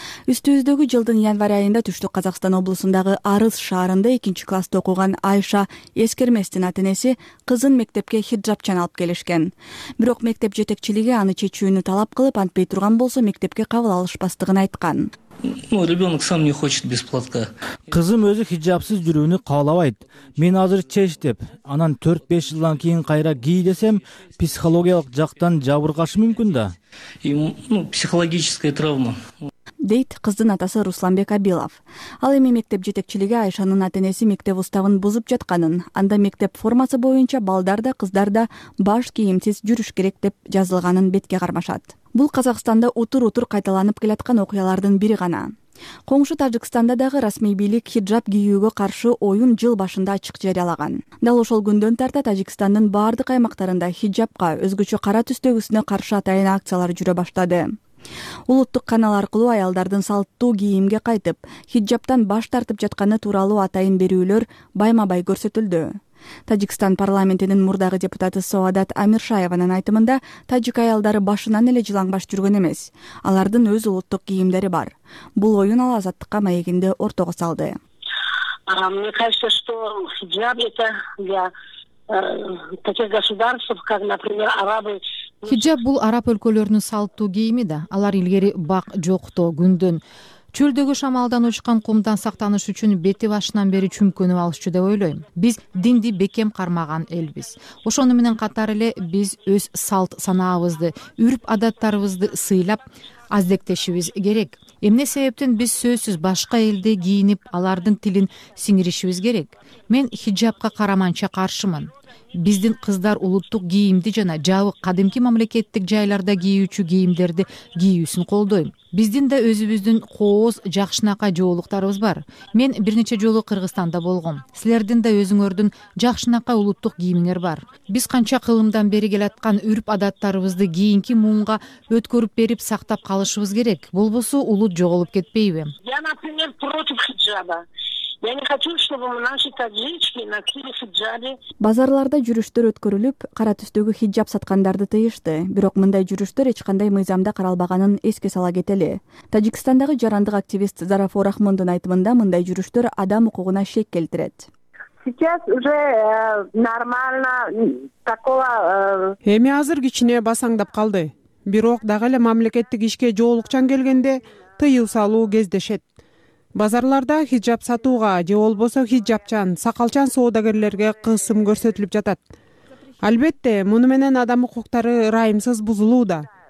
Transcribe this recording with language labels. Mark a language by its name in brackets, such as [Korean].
[Kyrgyz] Үстүбүздөгү жылдын январь айында Түштүк Казакстан облусундагы Арыс шаарында 2-классты окуган Айша Эскерместин атенеси кызын мектепке хиджабчан алып келишкен. Бирок мектеп жетекчилиги аны чечүүнү талап кылып, антпей турган болсо мектепке кабыл алышпастыгын айткан. [Russian] Ну, ребенок сам не хочет без платка. [Kyrgyz] Кызым өзү хиджабсыз жүрүүнү каалабайт. Мен азыр чеч деп, анан 4-5 жылдан кийин кайра кий десем, психологиялык жактан жабыркашы мүмкүн да. [Russian] Ну, психологическая травма. [Kyrgyz] Дейт кыздын атасы Русланбек Абилов. Ал эми мектеп жетекчилиги Айшанын атенеси мектеп уставын бузуп жатканын, анда мектеп формасы боюнча балдар да, кыздар да баш кийимсиз жүрүш керек деп жазылганын бетке кармашат. Бул Казакстанда утур-утур кайталанып келаткан окуялардын бири гана. Коңшу Тажикстанда дагы расмий бийлик хиджаб кийүүгө каршы оюн жыл башында ачык жарыялаган. Дал ошол күндөн тарта Тажикстандын баардык аймактарында хиджабка, өзгөчө кара түстөгүсүнө каршы атайын акциялар жүрө баштады. Улуттук канал аркылуу аялдардын салттуу кийимге кайтып, хиджаптан баш тартып жатканы тууралуу атайын берүүлөр байма-бай көрсөтүлдү. Таджикстан парламентинин мурдагы депутаты Соодат Амиршаеванын айтымында таджик аялдары башынан эле жылаңбаш жүргөн эмес. Алардын өз улуттук кийимдери бар. Бул оюн ал азаттыкка маегинде ортого салды. [Russian] Мне кажется, что хиджаб это для таких государств, как, например, арабы. [Kyrgyz] Хиджаб бул араб өлкөлөрүнүн салттуу кийими да. Алар илгери бак жокто, күндөн чөлдөгү шамалдан учкан кумдан сактаныш үчүн бети башынан бери чүмкөнүп алышчу деп ойлойм. Биз динди бекем кармаган элбиз. Ошону менен катар эле биз өз салт санаабызды, үрп адаттарыбызды сыйлап аздектешибиз керек. Эмне себептен биз сөзсүз башка элде кийинип, алардын тилин сиңиришибиз керек? Мен хиджабка караманча каршымын. Биздин кыздар улуттук кийимди жана жабык кадимки мамлекеттик жайларда кийүүчү кийимдерди кийүүсүн колдойм. Биздин да өзүбүздүн кооз жакшынакай жоолуктарыбыз бар. Мен бир нече жолу Кыргызстанда болгом. Силердин да өзүңөрдүн жакшынакай улуттук кийимиңер бар. Биз канча кылымдан бери келаткан үрп адаттарыбызды кийинки муунга өткөрүп берип сактап калышыбыз керек. Болбосо улут жоголуп кетпейби? [Russian] Я, например, против хиджаба. Я не хочу, чтобы наши таджички носили хиджабы. [Kyrgyz] Базарларда жүрүштөр өткөрүлүп, кара түстөгү хиджаб саткандарды тыйышты. Бирок мындай жүрүштөр эч кандай мыйзамда каралбаганын эске сала кетели. Таджикстандагы жарандык активист Зарафа Рахмондун айтымында мындай жүрүштөр адам укугуна шек келтирет. [Russian] Сейчас уже нормально такого. [Kyrgyz] Эми азыр кичине басаңдап калды. Бирок дагы эле мамлекеттик ишке жоолукчан келгенде тыюу салуу кездешет. Базарларда хиджаб сатууга же болбосо хиджабчан, сакалчан соодагерлерге кысым көрсөтүлүп жатат. Албетте, муну менен адам укуктары ырайымсыз бузулууда.